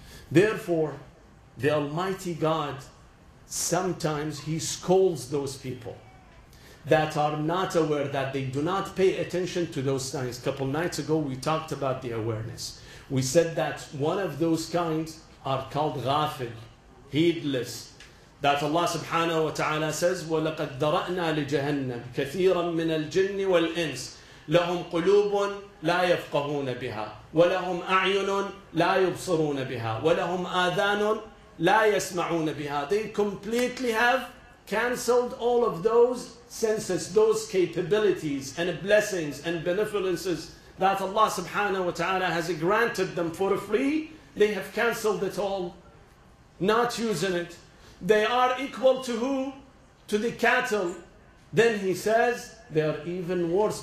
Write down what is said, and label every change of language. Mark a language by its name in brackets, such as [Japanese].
[English] Therefore, the Almighty God, sometimes he scolds those people that are not aware, that they do not pay attention to those signs. A couple nights ago, we talked about the awareness. We said that one of those kinds are called ghafil, heedless. That Allah subhanahu wa ta'ala says, [Arabic] وَلَقَدْ دَرَأْنَا لِجَهَنَّمْ كَثِيرًا مِّنَ الْجِنِّ وَالْإِنسِ لَهُمْ قُلُوبٌ لَا يَفْقَهُونَ بِهَا وَلَهُمْ أَعْيُنٌ لَا يُبْصِرُونَ بِهَا وَلَهُمْ آذَانٌ لَا يَسْمَعُونَ بِهَا. [English] They completely have cancelled all of those senses, those capabilities and blessings and benevolences that Allah subhanahu wa ta'ala has granted them for free. They have cancelled it all, not using it. They are equal to who? To the cattle. Then he says, they are even worse.